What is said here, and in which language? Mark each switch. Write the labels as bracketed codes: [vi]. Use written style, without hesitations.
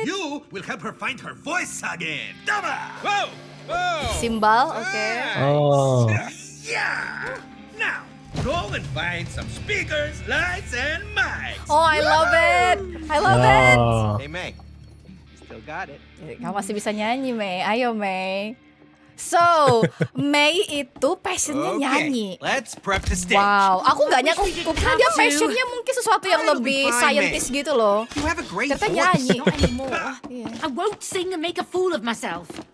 [en] And you will help her find her voice again. Double. Whoa. Whoa. Cymbal, okay. Oh. Yeah. Now, go and find some speakers, lights, and mics. Oh, I love it. I love it. Hey, Mei. Still got it. [id] Kamu masih bisa nyanyi, Mei. Ayo, Mei. So, Mei itu passionnya nyanyi. [en] Okay, let's prep the stage. [id] Wow, aku gak nyanyi. Aku kira dia passionnya mungkin sesuatu yang lebih scientist gitu loh. [en] You have a great voice. Nyanyi. Yeah. I won't sing and make a fool of myself.